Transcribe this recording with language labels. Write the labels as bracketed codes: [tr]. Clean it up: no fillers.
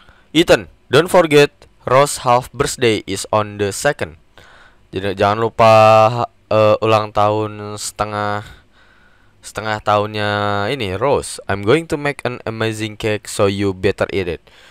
[en] Ethan, don't forget Rose half birthday is on the 2nd. [id] Jadi jangan lupa ulang tahun setengah tahunnya ini Rose. [en] I'm going to make an amazing cake, so you better eat it.